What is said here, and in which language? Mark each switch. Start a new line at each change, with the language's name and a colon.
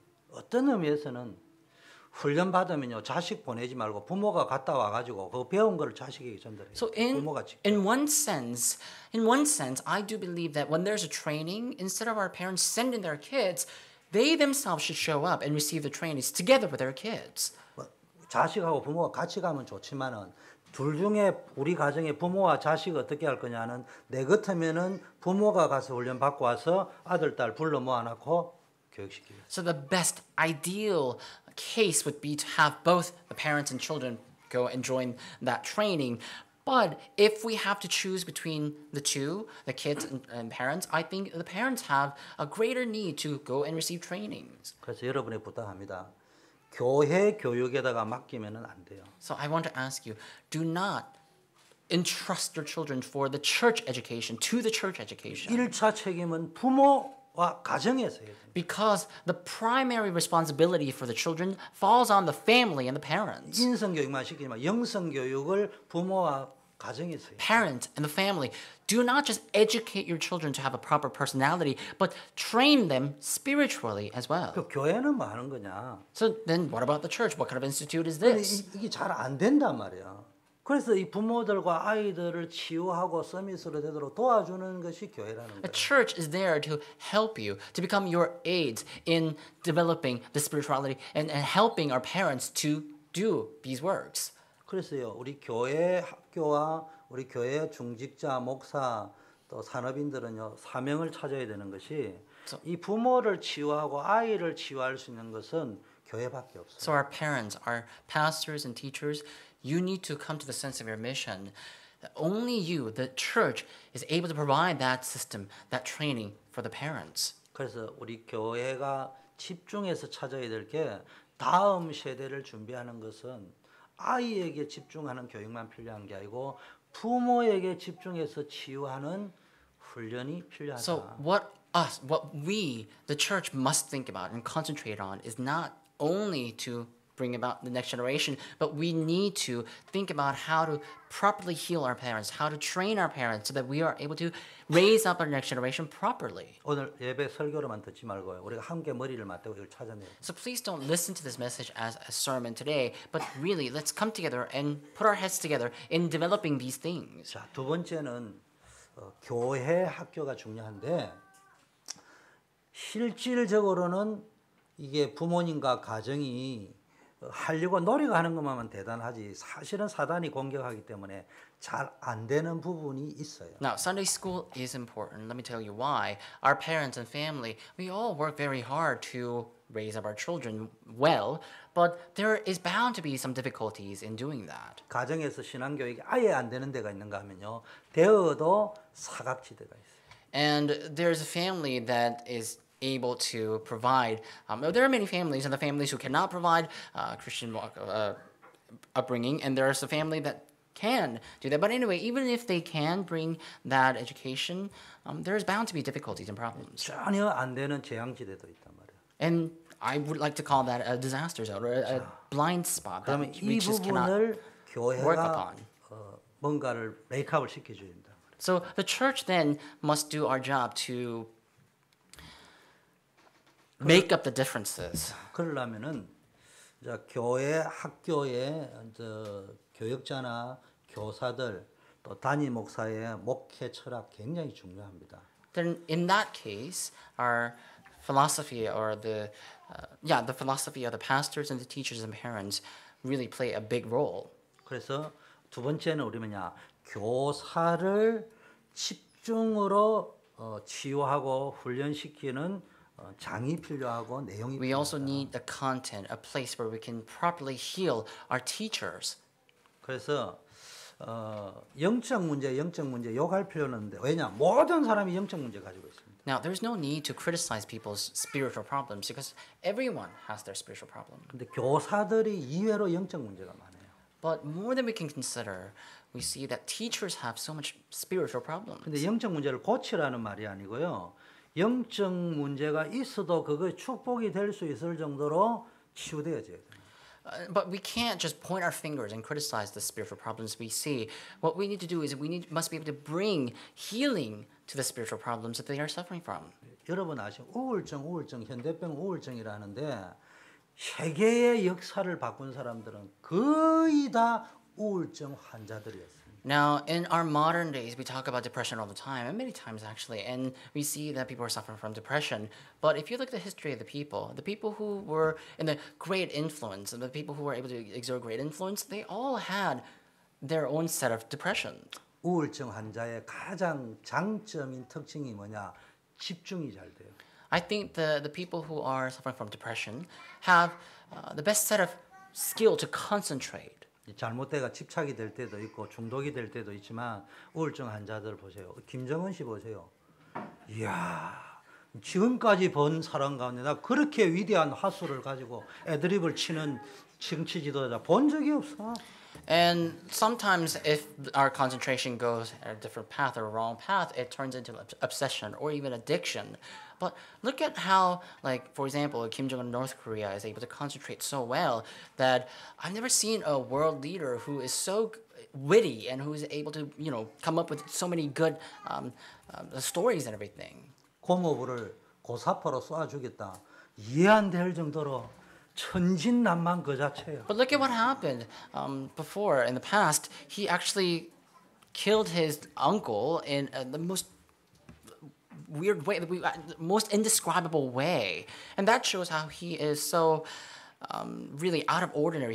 Korean: 어떤 의미에서는 훈련 받으면요 자식 보내지 말고 부모가 갔다 와가지고 그 배운 걸 자식에게 전달해.
English: So in one sense, I do believe that when there's a training, instead of our parents sending their kids, they themselves should show up and receive the trainings together with their kids.
Korean: 자식하고 부모가 같이 가면 좋지만은 둘 중에 우리 가정의 부모와 자식 어떻게 할 거냐는 내 같으면은 부모가 가서 훈련 받고 와서 아들 딸 불러 모아놓고 교육시키고.
English: So the best ideal case would be to have both the parents and children go and join that training. But if we have to choose between the two, the kids and parents, I think the parents have a greater need to go and receive trainings.
Korean: 그래서 여러분에 부탁합니다. 교회 교육에다가 맡기면은 안 돼요.
English: So I want to ask you, do not entrust your children for the church education, to the church education.
Korean: 1차 책임은 부모와 가정에서 해야 됩니다.
English: Because the primary responsibility for the children falls on the family and the parents.
Korean: 인성 교육만 시키지만 영성 교육을 부모와 가정에서 해야 됩니다.
English: Parents and the family, do not just educate your children to have a proper personality, but train them spiritually as well.
Korean: 그 교회는 뭐 하는 거냐?
English: So then what about the church? What kind of institute is this?
Korean: 이게 잘 안 된단 말이야. 그래서 이 부모들과 아이들을 치유하고 서밋으로 되도록 도와주는 것이 교회라는 거예요.
English: A church is there to help you, to become your aids in developing the spirituality and helping our parents to do these works.
Korean: 그래서요, 우리 교회 학교와 우리 교회 중직자 목사 또 산업인들은요 사명을 찾아야 되는 것이 이 부모를 치유하고 아이를 치유할 수 있는 것은 교회밖에 없어요.
English: So our parents, our pastors and teachers, you need to come to the sense of your mission. Only you, the church, is able to provide that system, that training for the parents.
Korean: 그래서 우리 교회가 집중해서 찾아야 될 게 다음 세대를 준비하는 것은 아이에게 집중하는 교육만 필요한 게 아니고 부모에게 집중해서 치유하는 훈련이 필요하다.
English: So what us, what we, the church must think about and concentrate on is not only to bring about the next generation, but we need to think about how to properly heal our parents, how to train our parents so that we are able to raise up our next generation properly.
Korean: 오늘 예배 설교로만 듣지 말고 우리가 함께 머리를 맞대고 이걸 찾아내요.
English: So please don't listen to this message as a sermon today, but really let's come together and put our heads together in developing these things.
Korean: 자, 두 번째는 교회 학교가 중요한데 실질적으로는 이게 부모님과 가정이 하려고 노력하는 것만 대단하지 사실은 사단이 공격하기 때문에 잘 안 되는 부분이 있어요.
English: Now, Sunday school is important. Let me tell you why. Our parents and family, we all work very hard to raise up our children well, but there is bound to be some difficulties in doing that.
Korean: 가정에서 신앙 교육이 아예 안 되는 데가 있는가 하면요. 되어도 사각지대가 있어요.
English: And there's a family that is able to provide. There are many families, and the families who cannot provide Christian upbringing, and there is a family that can do that. But anyway, even if they can bring that education, there is bound to be difficulties and problems.
Korean: 전혀 안 되는 재앙지대도 있단 말이야.
English: And I would like to call that a disaster zone or a blind spot that we just cannot work upon.
Korean: 뭔가를 메이크업을 시켜줘야 된다.
English: So the church then must do our job to make up the differences.
Korean: 그러려면은 이제 교회 학교의 저 교역자나 교사들 또 담임 목사의 목회 철학 굉장히 중요합니다.
English: Then in that case, our philosophy or the philosophy of the pastors and the teachers and parents really play a big role.
Korean: 그래서 두 번째는 우리 뭐냐 교사를 집중으로 치유하고 훈련시키는 장이 필요하고 내용이 필요해요.
English: We also need the content, a place where we can properly heal our teachers.
Korean: 그래서 영적 문제 욕할 필요는 없는데 왜냐? 모든 사람이 영적 문제 가지고 있습니다.
English: Now there's no need to criticize people's spiritual problems because everyone has their spiritual problem.
Korean: 근데 교사들이 이외로 영적 문제가 많아요.
English: But more than we can consider, we see that teachers have so much spiritual problems.
Korean: 근데 영적 문제를 고치라는 말이 아니고요. 영적 문제가 있어도 그거 축복이 될 수 있을 정도로 치유되어져야 돼요.
English: But we can't just point our fingers and criticize the spiritual problems we see. What we need to do is must be able to bring healing to the spiritual problems that they are suffering from.
Korean: 여러분 아시죠? 우울증, 현대병 우울증이라 하는데 세계의 역사를 바꾼 사람들은 거의 다 우울증 환자들이었어요.
English: Now, in our modern days, we talk about depression all the time, and many times actually, and we see that people are suffering from depression. But if you look at the history of the people who were in the great influence, and the people who were able to exert great influence, they all had their own set of depressions.
Korean: 우울증 환자의 가장 장점인 특징이 뭐냐? 집중이 잘 돼요.
English: I think the people who are suffering from depression have the best set of skill to concentrate.
Korean: 잘못돼가 집착이 될 때도 있고 중독이 될 때도 있지만 우울증 환자들 보세요. 김정은 씨 보세요. 이야, 지금까지 본 사람 가운데다 그렇게 위대한 화수를 가지고 애드립을 치는 정치 지도자 본 적이 없어.
English: And sometimes if our concentration goes a different path or a wrong path, it turns into obsession or even addiction. But look at how, like, for example, Kim Jong-un of North Korea is able to concentrate so well that I've never seen a world leader who is so witty and who is able to, you know, come up with so many good stories and everything.
Korean: 고모부를 고사파로 쏴주겠다. 이해 안 될 정도로 천진난만 그 자체예요.
English: But look at what happened before. In the past, he actually killed his uncle in the most weird way, the most indescribable way. And that shows how he is so really out of ordinary.